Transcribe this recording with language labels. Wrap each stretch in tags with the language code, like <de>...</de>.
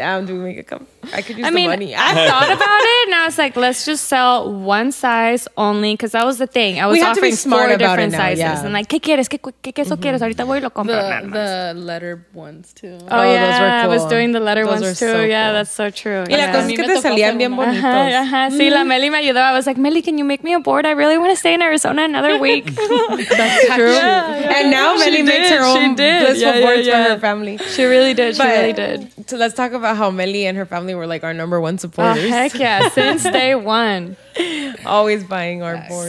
<en>Damn, do we make a comeback? I could use money. I thought about it and I was like, let's just sell one size only, because that was the thing. I was offering four different sizes. Yeah. And like, ¿qué</en> <es>quieres? ¿Qué queso quieres? Ahorita voy y lo compro.</es> <en>The letter ones too. Oh yeah, those were cool. I was doing the letter those ones too. So yeah, cool. That's so true.</en> <es>Y la cosa es que te salían bien bonitos. Sí, la Meli me ayudó.</es> <en>I was like, Meli, can you make me a board? I really want to stay in Arizona another week. That's true. Yeah, yeah. And now Meli makes her own blissful boards for her family. She really did. She really did. So let's talk about how Meli and her family were like our number one supporters. Oh, heck yeah. Since day one. Always buying our boards.</en>